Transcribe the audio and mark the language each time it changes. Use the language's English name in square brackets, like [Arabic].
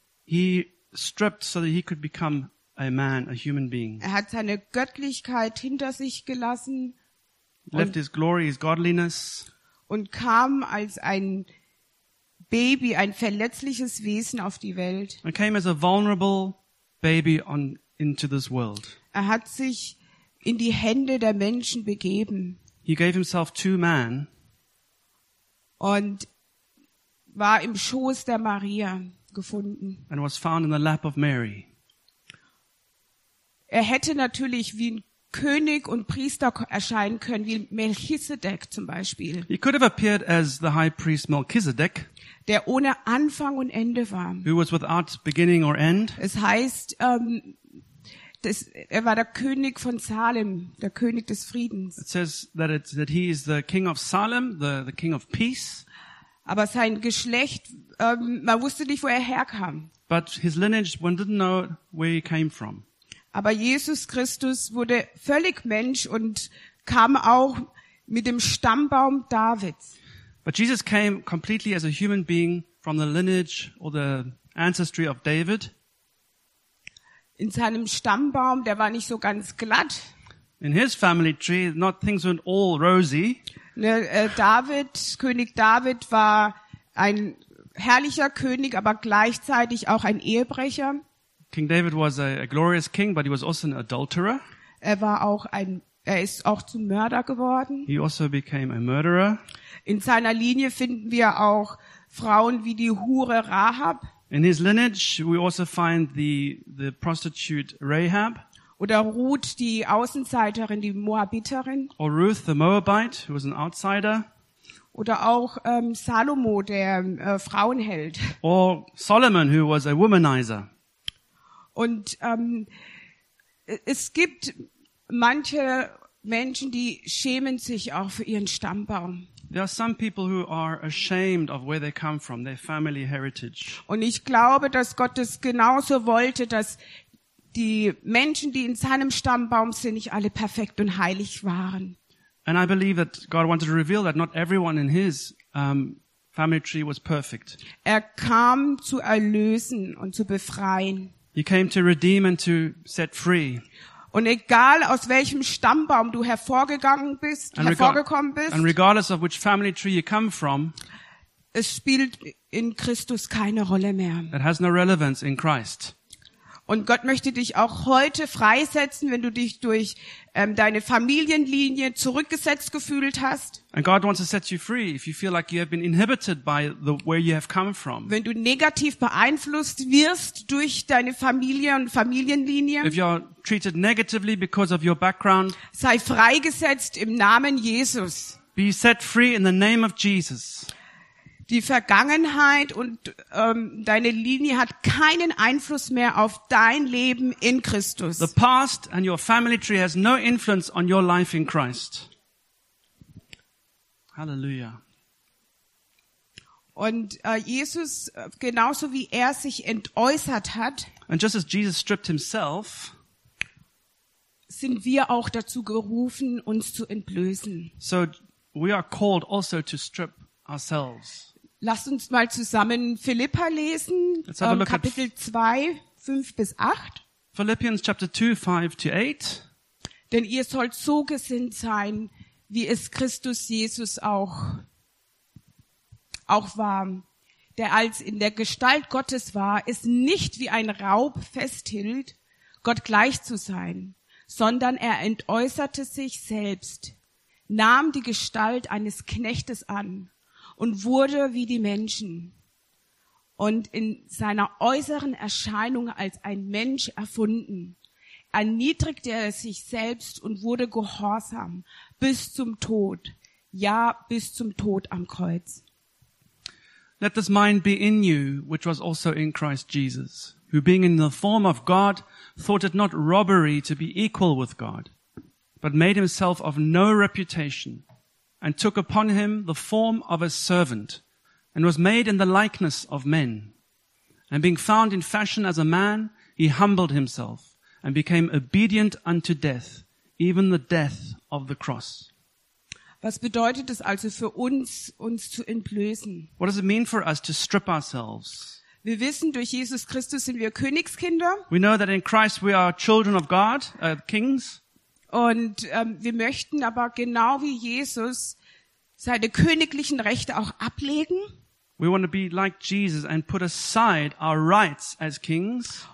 [English] He stripped so that he could become a man, a human being. [German] Er hat seine Göttlichkeit hinter sich gelassen. [English] Left his glory, his godliness. [German] Und kam als ein Baby, ein verletzliches Wesen auf die Welt. [English] And came as a vulnerable baby into this world. [German] Er hat sich in die Hände der Menschen begeben. [English] He gave himself to man. [German] Und war im Schoß der Maria gefunden. [English] And was found in the lap of Mary. [German] Er hätte natürlich wie ein König und Priester erscheinen können, wie Melchisedek zum Beispiel. [English] He could have appeared as the high priest Melchizedek. [German] Der ohne Anfang und Ende war. [English] Who was without beginning or end. [German] Es heißt, er war der König von Salem, der König des Friedens. [English] It says that he is the king of Salem, the king of peace. [German] Aber sein Geschlecht, man wusste nicht, wo er herkam. [English] But his lineage, one didn't know where he came from. [German] Aber Jesus Christus wurde völlig Mensch und kam auch mit dem Stammbaum Davids. [English] But Jesus came completely as a human being from the lineage or the ancestry of David. [German] In seinem Stammbaum, der war nicht so ganz glatt. [English] In his family tree, not things weren't all rosy. [German] David, König David war ein herrlicher König, aber gleichzeitig auch ein Ehebrecher. [English] King David was a glorious king, but he was also an adulterer. [German] Er ist auch zum Mörder geworden. [English] He also became a murderer. [German] In seiner Linie finden wir auch Frauen wie die Hure Rahab. [English] In his lineage we also find the prostitute Rahab. [German] Oder Ruth, die Außenseiterin, die Moabiterin. [English] Or Ruth, the Moabite, who was an outsider. [German] Oder auch Salomo, der Frauenheld. [English] Or Solomon, who was a womanizer. [German] Und es gibt manche Menschen, die schämen sich auch für ihren Stammbaum. [English] There are some people who are ashamed of where they come from, their family heritage. [German] Und ich glaube, dass Gott es genauso wollte, dass die Menschen, die in seinem Stammbaum sind, nicht alle perfekt und heilig waren. [English] And I believe that God wanted to reveal that not everyone in his family tree was perfect. [German] Er kam zu erlösen und zu befreien. [English] He came to redeem and to set free. [German] Und egal aus welchem Stammbaum du hervorgekommen bist, [English] and regardless of which family tree you come from, [German] es spielt in Christus keine Rolle mehr. [English] It has no relevance in Christ. [German] Und Gott möchte dich auch heute freisetzen, wenn du dich durch deine Familienlinie zurückgesetzt gefühlt hast. [English] And God wants to set you free if you feel like you have been inhibited by the where you have come from. [German] Wenn du negativ beeinflusst wirst durch deine Familie und Familienlinie. [English] If you are treated negatively because of your background. [German] Sei freigesetzt im Namen Jesus. [English] Be set free in the name of Jesus. [German] die Vergangenheit und deine Linie hat keinen Einfluss mehr auf dein Leben in Christus. [English] The past and your family tree has no influence on your life in Christ. [German] Halleluja. Und Jesus, genauso wie er sich entäußert hat, [English] and just as Jesus stripped himself, [German] sind wir auch dazu gerufen, uns zu entblößen. [English] So we are called also to strip ourselves. [German] Lasst uns mal zusammen Philipper lesen, Kapitel 2, 5 bis 8. [English] Philippians chapter 2, 5 to 8. [German] Denn ihr sollt so gesinnt sein, wie es Christus Jesus auch war, der als in der Gestalt Gottes war, es nicht wie ein Raub festhielt, Gott gleich zu sein, sondern er entäußerte sich selbst, nahm die Gestalt eines Knechtes an und wurde wie die Menschen. Und in seiner äußeren Erscheinung als ein Mensch erfunden, erniedrigte er sich selbst und wurde gehorsam bis zum Tod, ja, bis zum Tod am Kreuz. [English] Let this mind be in you, which was also in Christ Jesus, who being in the form of God, thought it not robbery to be equal with God, but made himself of no reputation, and took upon him the form of a servant, and was made in the likeness of men. And being found in fashion as a man, he humbled himself, and became obedient unto death, even the death of the cross. [German] Was bedeutet es also für uns, uns zu entblößen? [English] What does it mean for us to strip ourselves? [German] Wir wissen, durch Jesus Christus sind wir Königskinder. [English] We know that in Christ we are children of God, kings. [German] Und wir möchten aber genau wie Jesus seine königlichen Rechte auch ablegen. [English] We want to be like Jesus and put aside our rights as kings.